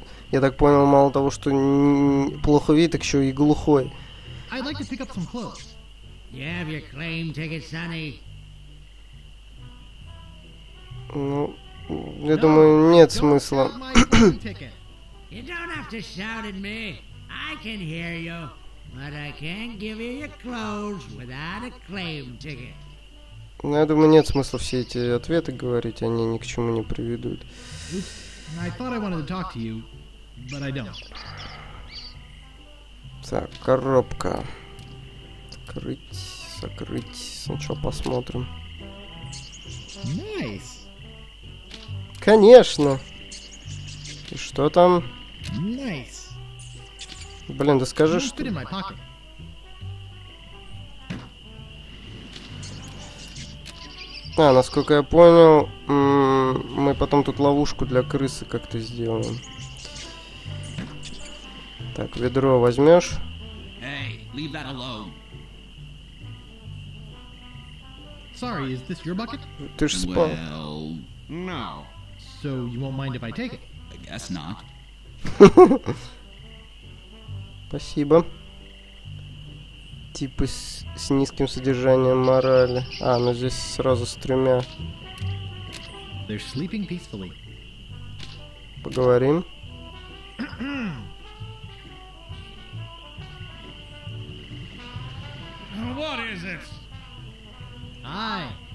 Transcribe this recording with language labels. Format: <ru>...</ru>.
<ru>Я так понял, мало того, что плохо видит, так еще и глухой.</ru> <en>I'd like to pick up some clothes. You have your claim ticket, sonny.</en> <ru>Ну, я думаю, нет смысла.</ru> <en>You don't have to shout at me. I can hear you. But I can't give you your clothes without a claim ticket.</en> <ru>Ну, я думаю, нет смысла все эти ответы говорить, они ни к чему не приведут.</ru> <en>I thought I wanted to talk to you, but I don't.</en> <ru>Так, коробка. Открыть, закрыть. Сначала посмотрим.</ru> <en>Nice.</en> <ru>Конечно. И что там?</ru> <en>Nice.</en> <ru>Блин, да скажи, что... А, насколько я понял, мы потом тут ловушку для крысы как-то сделаем. Так, ведро возьмешь?</ru> <en>Hey, leave that alone. Sorry, is this your bucket?</en> <ru>Ты ж спал.</ru> <en>Well, no. So you won't mind if I take it? I guess not.</en> <ru>Спасибо. Типы с низким содержанием морали. А, ну здесь сразу с тремя.</ru> <en>They're sleeping peacefully.</en> <ru>Поговорим.</ru> <en>What is it? Hi.</en>